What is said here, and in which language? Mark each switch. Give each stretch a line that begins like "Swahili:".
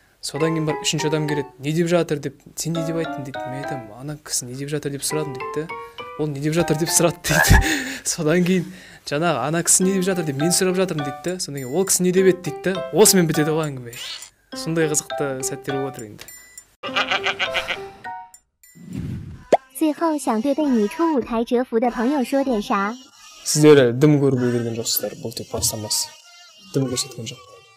Kazakh: Содан кейін барып үшінші адам келеді, не деп жатыр деп, сен не деп айттың дейді. Мен айтамын, ана кісі не деп жатыр деп сұрадым дейді. Ол не деп жатыр деп сұрады дейді. Содан кейін жаңағы ана кісі не деп жатыр деп мен сұрап жатырмын дейді. Содан кейін ол кісі не деп еді дейді да, осымен бітеді ғой әңгіме. Сондай қызықты сәттер болып жатыр енді.
Chinese: 最后想对被你出舞台折服的朋友说点啥？
Kazakh: сіздер дым көріп үлгерген жоқсыздар, бұл тек бастамасы, дым көрсеткен жоқ.